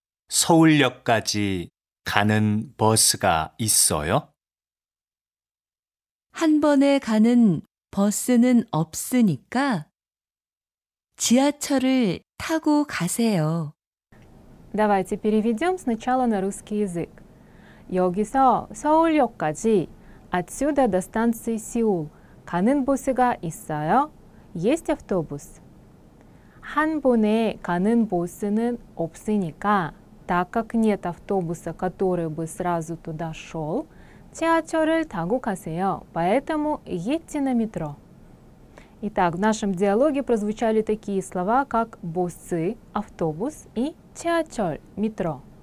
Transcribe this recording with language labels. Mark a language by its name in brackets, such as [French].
[Korean] 서울역까지 가는 버스가 있어요? 한 번에 가는 버스는 없으니까 지하철을 타고 가세요. [Russian] Давайте переведем сначала на русский язык. [Korean] 여기서 서울역까지 [Russian] отсюда до станции Сеул [Korean] 가는 버스가 있어요? [Russian] Есть автобус. [Korean] 한 번에 가는 버스는 없으니까 [Russian] так как нет автобуса, который бы сразу туда шел, [Korean] 지하철을 타고 가세요. [Russian] Поэтому едьте на метро. Итак, в нашем диалоге прозвучали такие слова, как «боссы», «автобус» и «чаачоль», «метро».